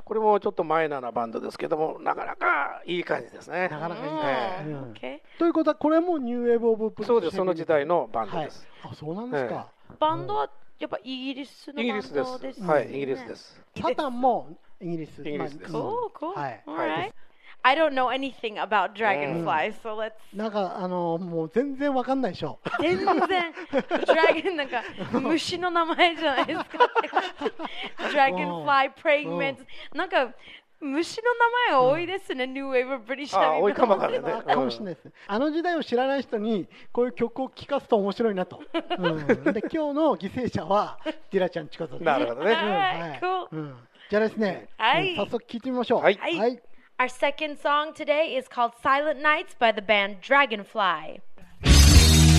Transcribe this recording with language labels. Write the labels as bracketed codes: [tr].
[ja] これもちょっとマイナーなバンドですけども、なかなかいい感じですね。なかなかいい感じ、ね、う [en] ん、okay. [ja] ということはこれもニューウェーブオブプリ、そうです、その時代のバンドです、はい、あ、そうなんですか、バンドはやっぱイギリスのバンドですね。です、はい、イギリスです。サタンもイギリス、イギリスです。 [en] cool, cool. [ja] はい、 [en] All right. I don't know anything about Dragonfly,、うん、so let's... [ja] なんか、あの、もう全然わかんないでしょ。全然Dragon なんか、虫の名前じゃないですか。Dragonfly, Pregnant、うん、なんか、虫の名前が多いですね、うん、ニューウェーブ、ブリッシュ、あ、多いかもわからないね、うん、かもしれないですね。あの時代を知らない人にこういう曲を聴かすと面白いなと、うん、で今日の犠牲者はディラちゃんちこさんなるほどね、うん、はい、cool. うん、じゃあですね、はい、うん、早速聴いてみましょう、はい、 [en] はい、Our second song today is called Silent Nights by the band Dragonfly。